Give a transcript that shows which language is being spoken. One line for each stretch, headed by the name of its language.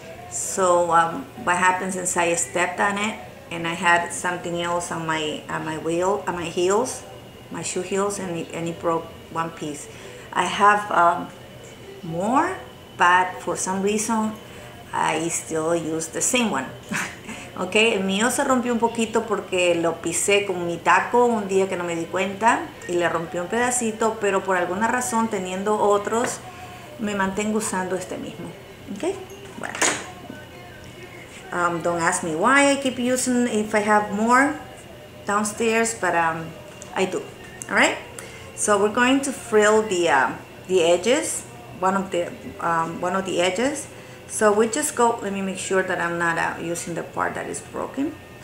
English: So what happens is I stepped on it and I had something else on my shoe heels, and it broke one piece. I have more, but for some reason I still use the same one.
Spanish: Okay, el mío se rompió un poquito porque lo pisé con mi taco un día que no me di cuenta y le rompió un pedacito, pero por alguna razón, teniendo otros, me mantengo usando este mismo. Okay, bueno.
English: Don't ask me why I keep using if I have more downstairs, but I do. All right, so we're going to frill the edges, one of the edges. So we just go, let me make sure that I'm not using the part that is broken.